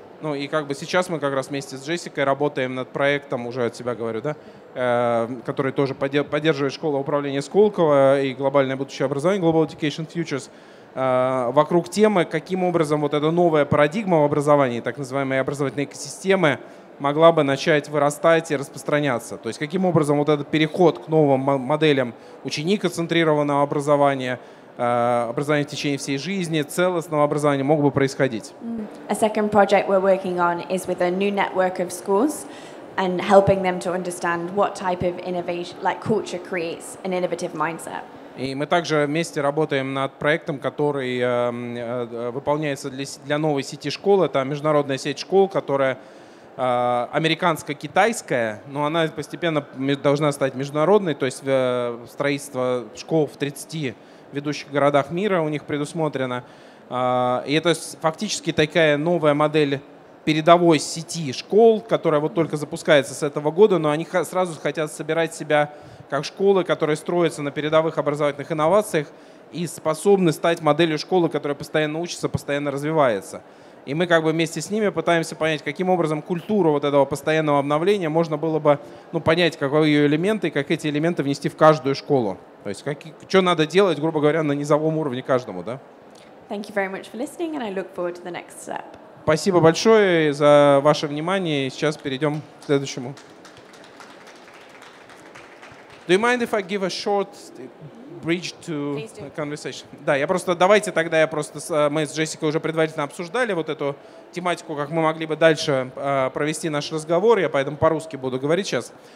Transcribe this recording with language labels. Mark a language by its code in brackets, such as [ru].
[ru] Ну и как бы сейчас мы как раз вместе с Джессикой работаем над проектом, уже от себя говорю, да, который тоже поддерживает школа управления Сколково и глобальное будущее образования, Global Education Futures, вокруг темы, каким образом вот эта новая парадигма в образовании, так называемые образовательные экосистемы, могла бы начать вырастать и распространяться. То есть каким образом вот этот переход к новым моделям ученико-центрированного образования, образование в течение всей жизни, целостного образования мог бы происходить. [en] A second project we're working on is with a new network of schools and helping them to understand what type of innovation, like culture creates an innovative mindset. [ru] И мы также вместе работаем над проектом, который выполняется для новой сети школ. Это международная сеть школ, которая американско-китайская, но она постепенно должна стать международной, то есть строительство школ в 30 ведущих городах мира у них предусмотрено. И это фактически такая новая модель передовой сети школ, которая вот только запускается с этого года, но они сразу хотят собирать себя как школы, которые строятся на передовых образовательных инновациях и способны стать моделью школы, которая постоянно учится, постоянно развивается. И мы как бы вместе с ними пытаемся понять, каким образом культуру вот этого постоянного обновления можно было бы, ну, понять, каковы ее элементы, и как эти элементы внести в каждую школу. То есть что надо делать, грубо говоря, на низовом уровне каждому, да? [en] Thank you very much for listening, and I look forward to the next step. [ru] Спасибо большое за ваше внимание. Сейчас перейдем к следующему. [en] Do you mind if I give a short bridge to conversation? [ru] Да, я просто, давайте тогда я просто, мы с Джессикой уже предварительно обсуждали вот эту тематику, как мы могли бы дальше провести наш разговор, я поэтому по-русски буду говорить сейчас.